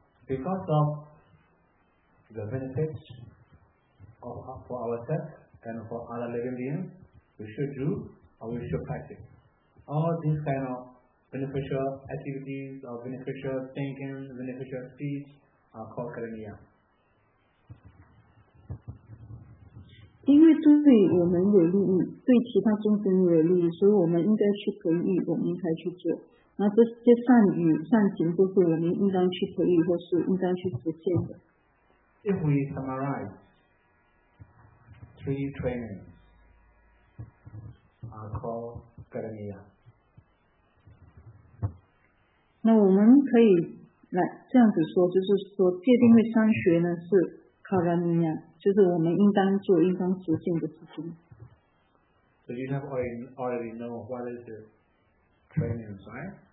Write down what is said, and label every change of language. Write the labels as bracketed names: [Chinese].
[English] Because of the benefits of for ourselves and for other living beings, we should do or we should practice all these kind of beneficial activities or beneficial thinking, beneficial speech are called karaniya. [Chinese] 因为对我们有利益，对其他众生有利益，所以我们应该去培育，我们应该去做。那这些善语、善行都是我们应当去培育或是应当去实现的。 [English] If we summarize three trainings are called karaniya. [Chinese] 那我们可以来这样子说，就是说戒定慧三学呢是。 Karaniya, 就是我们应当做应当实现的事情。 [English] So you have already know what is the training, right?